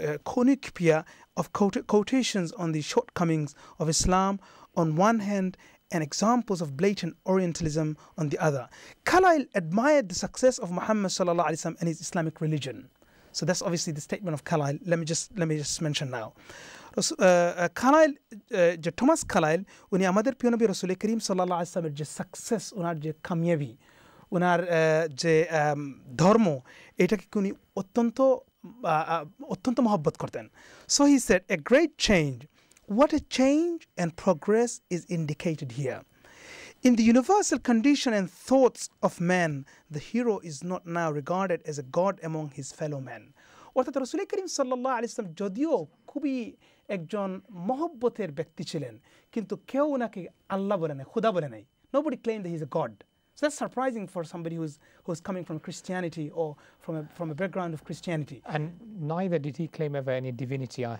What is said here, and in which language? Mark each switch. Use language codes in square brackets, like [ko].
[en] cornucopia of quotations on the shortcomings of Islam on one hand and examples of blatant Orientalism on the other. Kalail admired the success of Muhammad [ar] sallallahu alaihi wasallam [en] and his Islamic religion. So that's obviously the statement of Kalail. Let me just mention now. [bn] কালাইল যে Thomas কালাইল উনি আমাদের প্রিয় নবী রাসূল করিম সাল্লাল্লাহু আলাইহি ওয়াসাল্লামের যে সাকসেস ওনার যে কামিয়াবি ওনার যে ধর্ম এটাকে উনি অত্যন্ত অত্যন্ত মহব্বত করতেন। [en] So he said a great change, what a change and progress is indicated here in the universal condition and thoughts of man, the hero is not now regarded as a god among his fellow man. [bn] অর্থাৎ রসুল করিম সাল্লাল্লাহু আলাইহি ওয়াসাল্লাম যদিও খুবই একজন মহব্বতের ব্যক্তি ছিলেন, কিন্তু কেউ ওনাকে আল্লাহ বলে নাই, খুদা বলে নাই। [en] Nobody claimed that he's a god. So that's surprising for somebody who's coming from Christianity or from a background of Christianity. And neither did he claim ever any divinity.